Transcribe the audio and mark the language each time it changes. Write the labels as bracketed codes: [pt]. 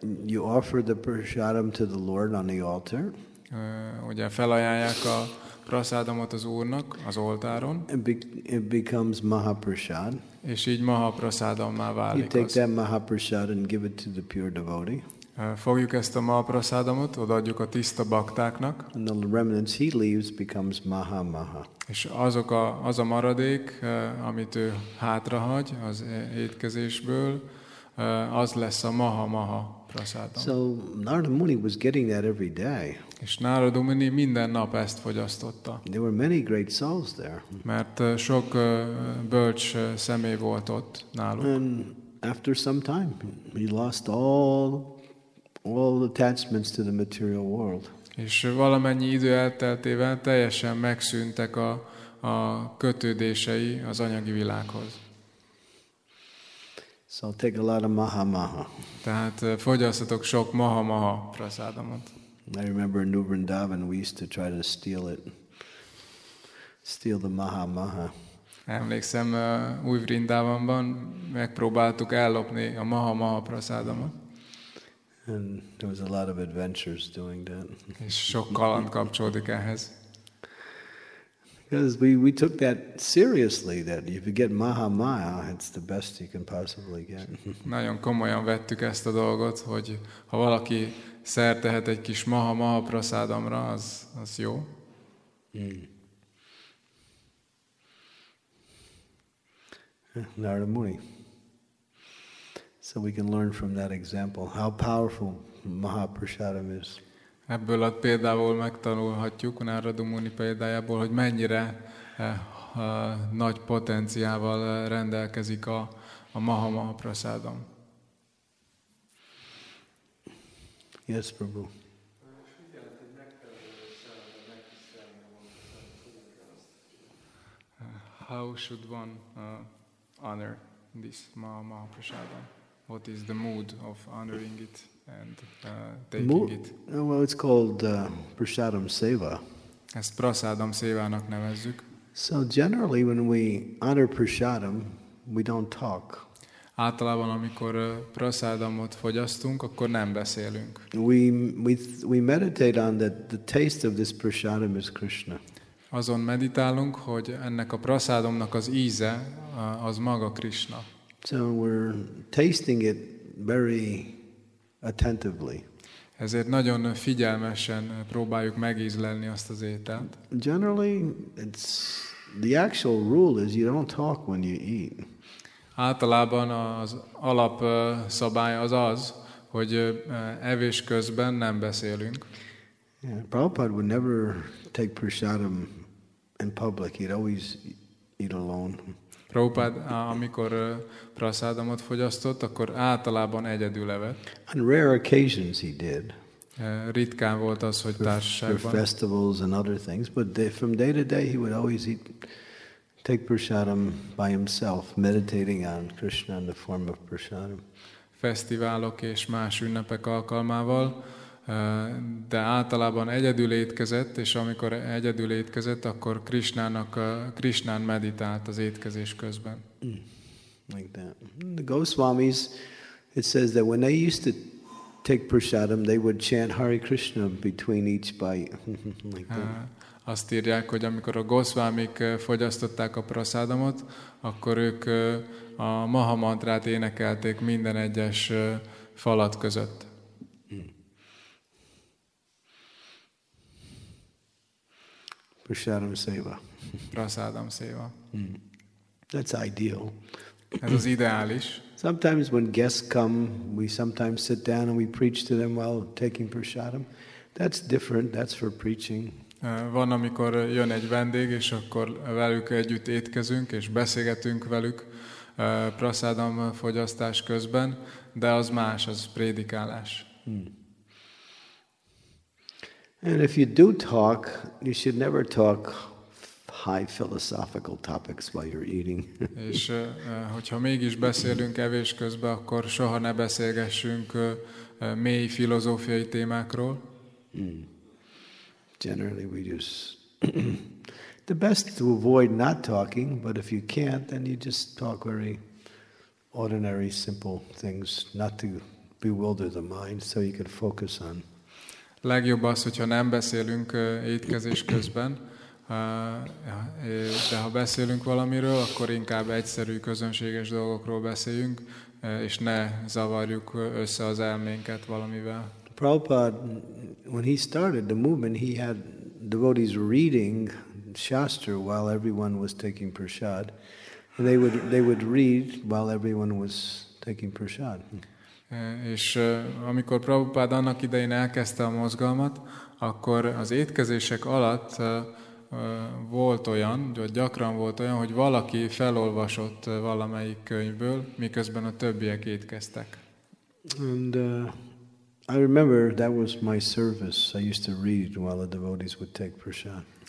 [en] You offer the prasadam to the Lord on the altar. [hu] Ugye felajánlják a prasadamot az Úrnak az oltáron. [en] It becomes Mahaprasad. [hu] És így Mahaprasadammá válik. [en] You take that Mahaprasad and give it to the pure devotee. [hu] Fogjuk ezt a Mahaprasadamot, odaadjuk a tiszta baktáknak. [en] And the remnants he leaves becomes maha maha. [hu] És azok a, az a maradék, amit ő hátrahagy az étkezésből, az lesz a maha maha prasadam. [en] So Narada Muni was getting that every day. [hu] És Narada Muni minden nap ezt fogyasztotta. [en] There were many great souls there. [hu] Mert sok bölcs személy volt ott náluk. [en] And after some time, he lost all attachments to the material world. [hu] És valamennyi idő elteltével teljesen megszűntek a kötődései az anyagi világhoz. [en] So I'll take a lot of maha maha. [hu] Tehát fogyasszatok sok maha maha prasadamot. [en] I remember in New Vrindavan we used to try to steal it. Steal the maha maha. [hu] Emlékszem, Új Vrindavanban megpróbáltuk ellopni a maha maha prasadamot. [en] And there was a lot of adventures doing that. [hu] És sok kaland kapcsolódik ehhez. [en] Because we took that seriously, that if you get maha maha, it's the best you can possibly get. [hu] Nagyon komolyan vettük ezt a dolgot, hogy ha valaki szertehet egy kis maha maha prasadamra, az jó. [en] Narada Muni. So we can learn from that example how powerful Mahaprasadam is. [hu] Ebből a példából megtanulhatjuk, Narada Muni példájából, hogy mennyire nagy potenciával rendelkezik a Maha Mahaprasadam. [en] Yes, Prabhu. How should one honor this Maha Mahaprasadam? What is the mood of honoring it and taking it? Well, it's called prasadam seva. [hu] Ezt prasadam sevának nevezzük. [en] So generally, when we honor prasadam, we don't talk. [hu] Általában, amikor prasadamot fogyasztunk, akkor nem beszélünk. [en] We meditate on that the taste of this prasadam is Krishna. [hu] Azon meditálunk, hogy ennek a prasadamnak az íze az maga Krishna. [en] So we're tasting it very attentively. [hu] Ezért nagyon figyelmesen próbáljuk megízlelni azt az ételt. [en] Generally, it's the actual rule is you don't talk when you eat. [hu] Általában az alap szabály az az, hogy evés közben nem beszélünk. [en] Yeah, Prabhupada would never take prasadam in public. He'd always eat alone. [hu] Prabhupada, amikor prasadamot fogyasztott, akkor általában egyedül evett. [en] On rare occasions he did. [hu] Ritkán volt az, hogy társaságban. [en] For festivals and other things, but from day to day he would always take prasadam by himself, meditating on Krishna in the form of prasadam. [hu] Fesztiválok és más ünnepek alkalmával, de általában egyedül étkezett, és amikor egyedül étkezett, akkor Krishnán meditált az étkezés közben. [en] Like that. The Goswamis, it says that when they used to take prasadam, they would chant Hare Krishna between each bite. Like that. [hu] Azt írják, hogy amikor a Goswamik fogyasztották a prasadamot, akkor ők a maha mantrát énekelték minden egyes falat között. [en] Prasadam seva. [hu] Prasadam seva. [en] That's ideal. [hu] Ez az ideális. [en] Sometimes when guests come, we sometimes sit down and we preach to them while taking prasadam. That's different. That's for preaching. [hu] Van, amikor jön egy vendég, és akkor velük együtt étkezünk és beszélgetünk velük prasadam fogyasztás közben, de az más, az prédikálás. [en] And if you do talk, you should never talk high philosophical topics while you're eating. [hu] És hogyha mégis beszélünk evés közben, akkor soha ne beszélgessünk mély filozófiai témákról. [en] Generally we just the best to avoid not talking, but if you can't, then you just talk very ordinary, simple things, not to bewilder the mind, so you can focus on. [hu] Legjobb az, hogyha nem beszélünk étkezés közben, de ha beszélünk valamiről, akkor inkább egyszerű, közönséges dolgokról beszéljünk, és ne zavarjuk össze az elménket valamivel. [en] Prabhupada, when he started the movement, he had devotees reading Shastra while everyone was taking prasad. They would read while everyone was taking prasad. [hu] És amikor Prabhupada annak idején elkezdte a mozgalmat, akkor az étkezések alatt volt olyan, vagy gyakran volt olyan, hogy valaki felolvasott valamelyik könyvből, miközben a többiek étkeztek. [en] And I remember that was my service. I used to read while the devotees would take prasad.